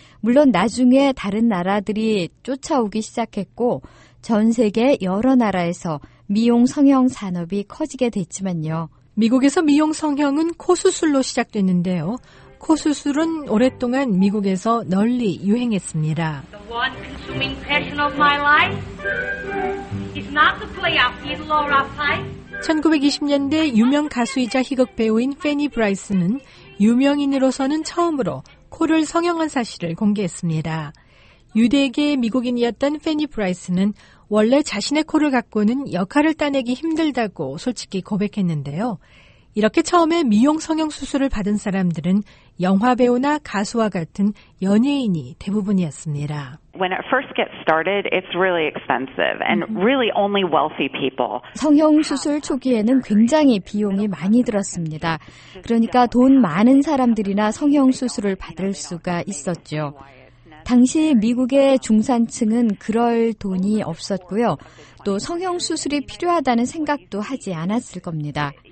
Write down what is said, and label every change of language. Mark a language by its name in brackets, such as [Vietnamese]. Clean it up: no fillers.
[Korean] 물론 나중에 다른 나라들이 쫓아오기 시작했고 전 세계 여러 나라에서 미용 성형 산업이 커지게 됐지만요. 미국에서 미용 성형은 코 수술로 시작됐는데요. 코 수술은 오랫동안 미국에서 널리 유행했습니다. [English] The one consuming passion of my life is not the play of Laura Pine. [Korean] 1920년대 유명 가수이자 희극 배우인 페니 브라이스는 유명인으로서는 처음으로 코를 성형한 사실을 공개했습니다. 유대계 미국인이었던 페니 브라이스는 원래 자신의 코를 갖고는 역할을 따내기 힘들다고 솔직히 고백했는데요. 이렇게 처음에 미용 성형 수술을 받은 사람들은 영화 배우나 가수와 같은 연예인이 대부분이었습니다. [English] When it first gets started, it's really expensive and really only wealthy people. [Korean] 성형 수술 초기에는 굉장히 비용이 많이 들었습니다. 그러니까 돈 많은 사람들이나 성형 수술을 받을 수가 있었죠. 당시 미국의 중산층은 그럴 돈이 없었고요. 또 성형 수술이 필요하다는 생각도 하지 않았을 겁니다.